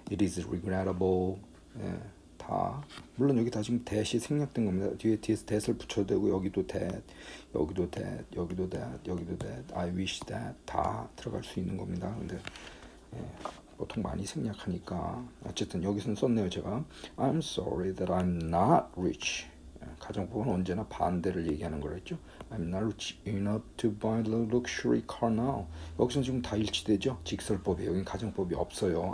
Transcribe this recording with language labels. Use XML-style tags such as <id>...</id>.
<en>It is regrettable.</en> <ko>예. 다. 물론 여기 다 지금 that이 생략된 겁니다. 뒤에 that을 that을 붙여도 되고 여기도 that, 여기도 that, 여기도 that, 여기도 that, I wish that 다 들어갈 수 있는 겁니다. 근데 예, 보통 많이 생략하니까 어쨌든 여기서는 썼네요 제가.</ko> <en>I'm sorry that I'm not rich.</en> <ko>가정법은 언제나 반대를 얘기하는 거랬죠.</ko> <en>I'm not rich enough to buy the luxury car now.</en> <ko>여기서는 지금 다 일치되죠? 직설법이에요. 여긴 가정법이 없어요.</ko>